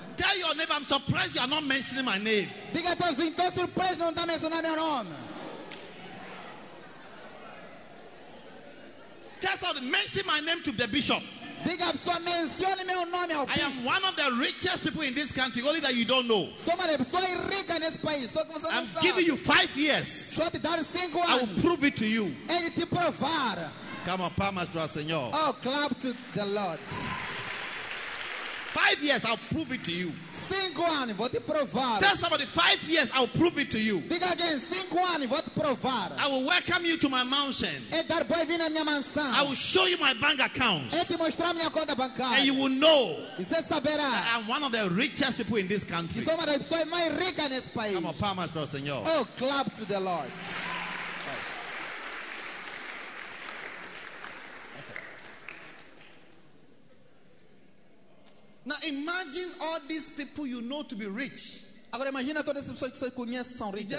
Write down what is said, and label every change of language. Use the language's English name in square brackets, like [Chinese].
[English] Tell your neighbor, I'm surprised you are not mentioning my name. [Portuguese] Diga a todos, estou surpreso, não está mencionando meu nome. [English] Tell someone, mention my name to the bishop. [Portuguese] Diga a pessoa, mencione meu nome ao bispo. [English] I am one of the richest people in this country, only that you don't know. [Portuguese] Sou uma pessoa rica nesse país, só que você não sabe. [English] I'm giving you 5 years. [Portuguese] Só te dar 5 anos. [English] I will prove it to you. [Portuguese] Ele te provar. [English] Come on, [Portuguese] palmas para o Senhor. [English] Oh, clap to the Lord. 5 years, I'll prove it to you. [Portuguese] 5 anos, vou te provar. [English] Tell somebody, 5 years, I'll prove it to you. [Portuguese] Diga [English] again, [Portuguese] 5 anos, vou te provar. [English] I will welcome you to my mansion. [Portuguese] E dar bem-vindo à minha mansão. [English] I will show you my bank accounts. [Portuguese] E te mostrar minha conta bancária. [English] And you will know. [Portuguese] E você saberá. [English] I am one of the richest people in this country. [Portuguese] Sou uma das pessoas mais ricas nesse país. [English] Come on, [Portuguese] palmas para o Senhor. [English] Oh, clap to the Lord. Now imagine all these people you know to be rich. [Portuguese] Agora imagina todas essas pessoas que você conhece são ricas.